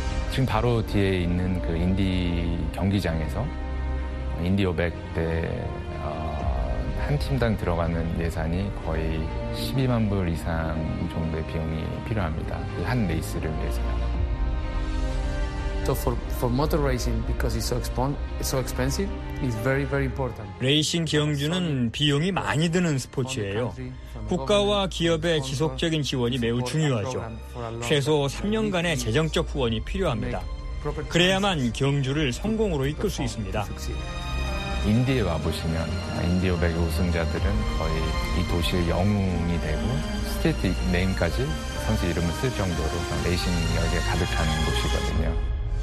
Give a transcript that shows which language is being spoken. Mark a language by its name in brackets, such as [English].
[Korean] 지금 바로 뒤에 있는 그 인디 경기장에서 인디 500 대 한 팀당 들어가는 예산이 거의 12만 불 이상 정도의 비용이 필요합니다. 한 레이스를 위해서. [English] So for motor racing because it's so expensive, it's very very important. [Korean] 레이싱 경주는 비용이 많이 드는 스포츠예요. 국가와 기업의 지속적인 지원이 매우 중요하죠. 최소 3년간의 재정적 후원이 필요합니다. 그래야만 경주를 성공으로 이끌 수 있습니다. 인디에 와보시면 인디 500의 우승자들은 거의 이 도시의 영웅이 되고 스테이트 네임까지 선수 이름을 쓸 정도로 레이싱력에 가득한 곳이거든요.